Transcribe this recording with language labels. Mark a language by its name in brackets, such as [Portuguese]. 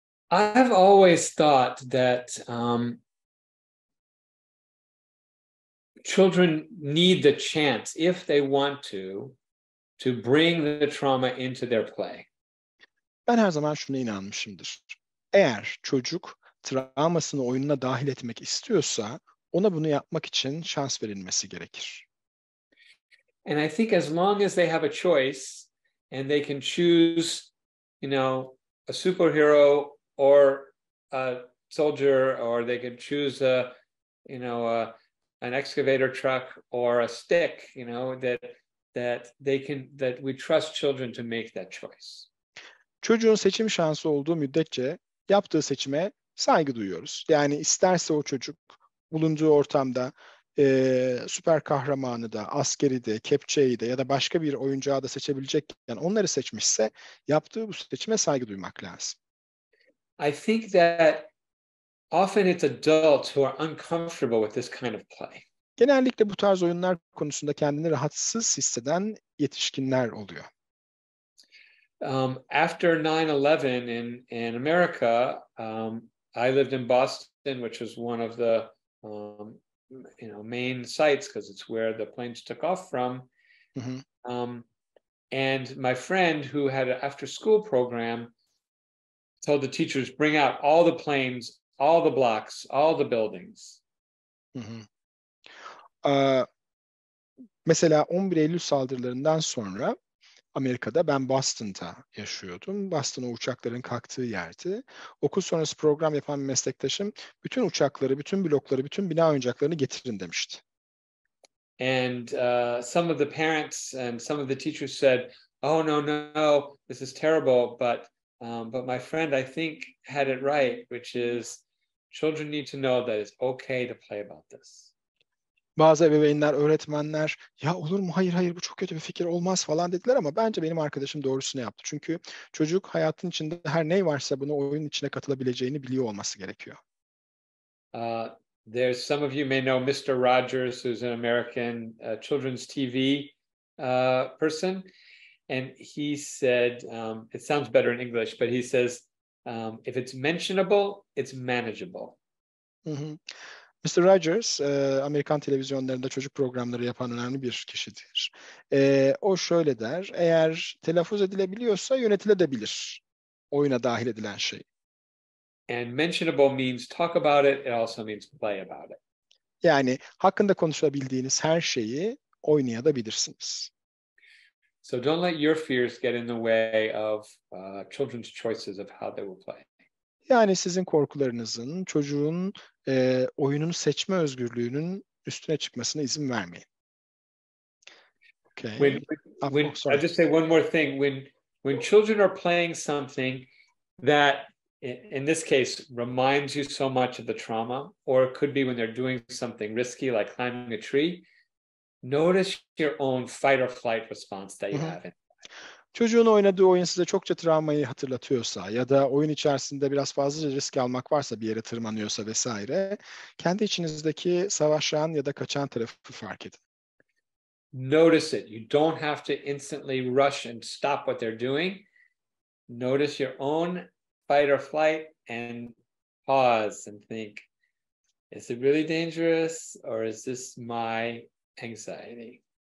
[English] I've always thought that children need the chance, if they want to bring the trauma into their play. [Turkish] Ben her zaman şuna inanmışımdır. Eğer çocuk travmasını oyununa dahil etmek istiyorsa, ona bunu yapmak için şans verilmesi gerekir. [English] And I think as long as they have a choice and they can choose, you know, a superhero or a soldier, or they can choose a, you know, an excavator truck or a stick, you know, that we trust children to make that choice. [Turkish] Çocuğun seçim şansı olduğu müddetçe yaptığı seçime saygı duyuyoruz. Yani isterse o çocuk bulunduğu ortamda süper kahramanı da, askeri de, kepçeyi de ya da başka bir oyuncağı da seçebilecekken onları seçmişse yaptığı bu seçime saygı duymak lazım. [English] I think that often it's adults who are uncomfortable with this kind of play. [Turkish] Genellikle bu tarz oyunlar konusunda kendini rahatsız hisseden yetişkinler oluyor. [English] After 9/11 in America, I lived in Boston, which was one of the you know, main sites because it's where the planes took off from. Mm-hmm. And my friend who had an after school program told the teachers, bring out all the planes, all the blocks, all the buildings. [Turkish] Mesela 11 Eylül saldırılarından sonra Amerika'da ben Boston'da yaşıyordum. Boston'a uçakların kalktığı yerdi. Okul sonrası program yapan bir meslektaşım bütün uçakları, bütün blokları, bütün bina oyuncaklarını getirin demişti. [English] And some of the parents and some of the teachers said, "Oh no, no, no. This is terrible, but my friend I think had it right, which is children need to know that it's okay to play about this." [Turkish] Bazı ebeveynler, öğretmenler ya olur mu, hayır hayır bu çok kötü bir fikir, olmaz falan dediler ama bence benim arkadaşım doğrusunu yaptı. Çünkü çocuk hayatın içinde her ne varsa bunu oyunun içine katılabileceğini biliyor olması gerekiyor. [English] There's some of you may know Mr. Rogers, who's an American children's TV person. And he said, it sounds better in English, but he says, if it's mentionable, it's manageable. Hı-hı. Mr. [Turkish] Rogers, Amerikan televizyonlarında çocuk programları yapan önemli bir kişidir. O şöyle der, eğer telaffuz edilebiliyorsa yönetilebilir oyuna dahil edilen şey. [English] And mentionable means talk about it, it also means play about it. [Turkish] Yani hakkında konuşabildiğiniz her şeyi oynayabilirsiniz. [English] So don't let your fears get in the way of children's choices of how they will play. [Turkish] Yani sizin korkularınızın, çocuğun oyunun seçme özgürlüğünün üstüne çıkmasına izin vermeyin. [English] Okay. I'll just say one more thing. When children are playing something that, in this case, reminds you so much of the trauma, or it could be when they're doing something risky like climbing a tree, notice your own fight or flight response that you have. [Turkish] Çocuğun oynadığı oyun size çokça travmayı hatırlatıyorsa ya da oyun içerisinde biraz fazla risk almak varsa, bir yere tırmanıyorsa vesaire, kendi içinizdeki savaşan ya da kaçan tarafı fark edin. [English] Notice it. You don't have to instantly rush and stop what they're doing. Notice your own fight or flight and pause and think, is it really dangerous or is this my anxiety?